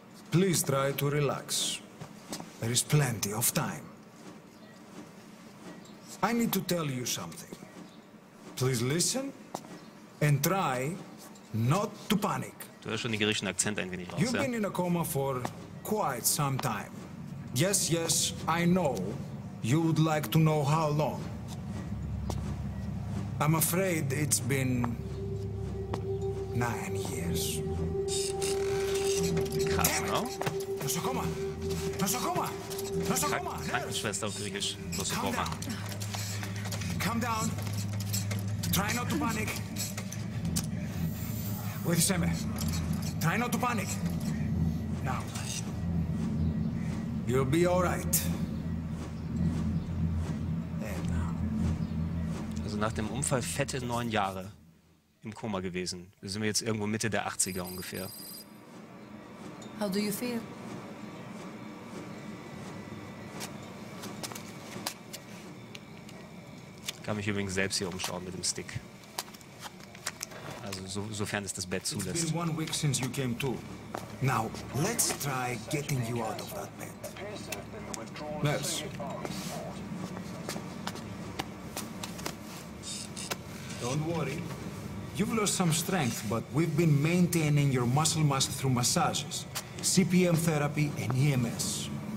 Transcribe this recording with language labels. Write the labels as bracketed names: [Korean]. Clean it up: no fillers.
[English] Please try to relax. There is plenty of time. I need to tell you something. Please listen and try not to panic. [German] Du hörst schon den griechischen Akzent ein wenig raus, [English] You've [German] ja. [English] been in a coma for quite some time. Yes, yes, I know. You would like to know how long. I'm afraid it's been 9 years. [German] Krass, no? [Greek] Nosokoma! Nosokoma! Nosokoma! [German] Krankenschwester auf Griechisch. Nosokoma. [English] Calm down. Calm down. Try not to panic. With Seme. Try not to panic. Now. You'll be all right. And now. [German] Also nach dem Unfall fette 9 Jahre im Koma gewesen. Wir sind jetzt irgendwo Mitte der 80er ungefähr. [English] How do you feel? [German] Ich kann mich übrigens selbst hier umschauen mit dem Stick. Also, sofern es das Bett zulässt. [English] It's been 1 week since you came to. Now, let's try getting you out of that bed. Let's. Don't worry. You've lost some strength, but we've been maintaining your muscle mass through massages, CPM therapy and EMS.